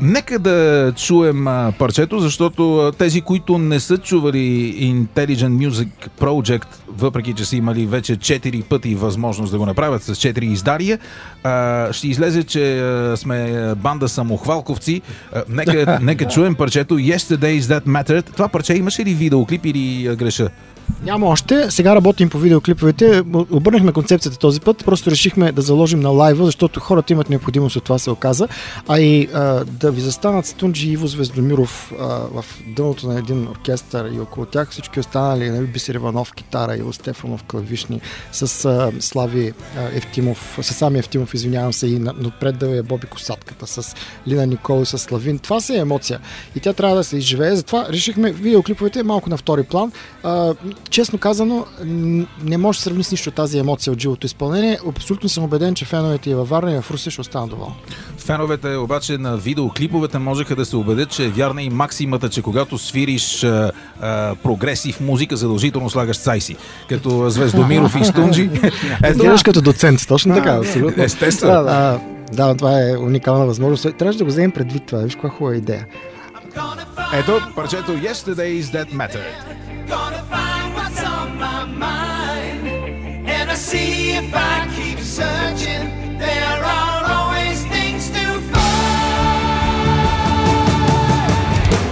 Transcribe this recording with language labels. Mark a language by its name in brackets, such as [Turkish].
[Bulgarian] Нека да чуем парчето, защото тези, които не са чували Intelligent Music Project, въпреки че са имали вече 4 пъти възможност да го направят с 4 издария, ще излезе, че сме банда самохвалковци. Нека чуем парчето Yesterday Is That Mattered. Това парче имаше ли видеоклип или греша? Няма още. Сега работим по видеоклиповете. Обърнахме концепцията този път. Просто решихме да заложим на лайва, защото хората имат необходимост от това, се оказа. А и да ви застанат Стунджи и Иво Звездомиров в дъното на един оркестър и около тях всички останали, нали, Бисер Иванов, китара, Иво Стефанов, клавишни, с Слави Евтимов, с сами Евтимов, извинявам се, и напред да е Боби Косатката, с Лина Николай, с Славин. Това се е емоция. И тя трябва да се изживее. Затова решихме видеоклиповете малко на втори план. Честно казано, не може да сравни с нищо тази емоция от живото изпълнение. Абсолютно съм убеден, че феновете и във Варна и в Русе ще останат доволни. Феновете обаче на видеоклиповете можеха да се убедят, че е вярна и максимата, че когато свириш прогресив музика, задължително слагаш цайси. Като Звездомиров и Стунджи. Гледаш като доцент, точно така. Естествено. Да, това е уникална възможност. Трябваше да го вземем предвид това. Виж каква хубава идея. Ето парчето [English] Yesterday Is That Matter. Gonna find what's on my mind, and I see if I keep searching, there are always things to find.